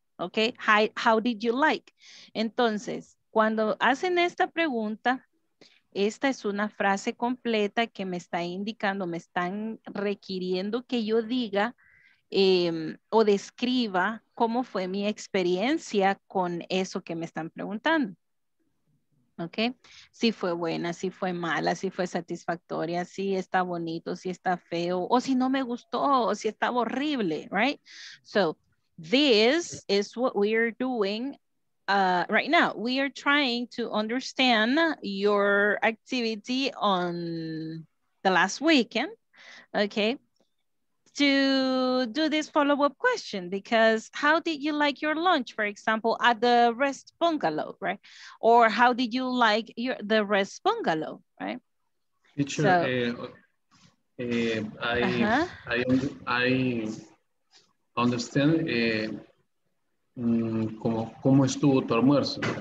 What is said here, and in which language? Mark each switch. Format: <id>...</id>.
<en>Ok, how did you like?</en> <es>Entonces, cuando hacen esta pregunta, esta es una frase completa que me está indicando, me están requiriendo que yo diga o describa cómo fue mi experiencia con eso que me están preguntando. Ok, si fue buena, si fue mala, si fue satisfactoria, si está bonito, si está feo, o si no me gustó, o si estaba horrible, right?</es> <en>So, this is what we are doing right now. We are trying to understand your activity on the last weekend, okay, to do this follow-up question, because how did you like your lunch, for example, at the rest bungalow, right? Or how did you like your the rest bungalow, right? Teacher, so, I understand</en> <es>como estuvo tu almuerzo.</es>